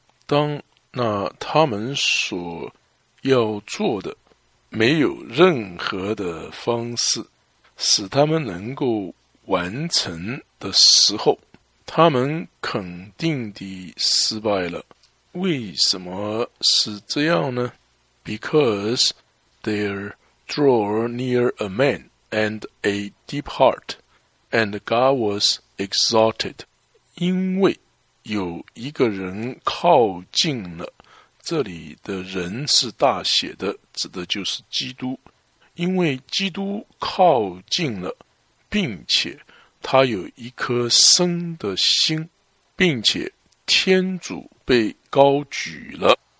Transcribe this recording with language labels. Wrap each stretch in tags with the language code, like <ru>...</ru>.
<zh>当那他们所要做的没有任何的方式使他们能够完成的时候，他们肯定地失败了。为什么是这样呢？</zh> <en>Because they draw near a man and a depart, and God was exalted.</en> <zh>因为有一个人靠近了，这里的人是大写的，指的就是基督。因为基督靠近了，并且他有一颗生的心，并且天主被高举了。</zh>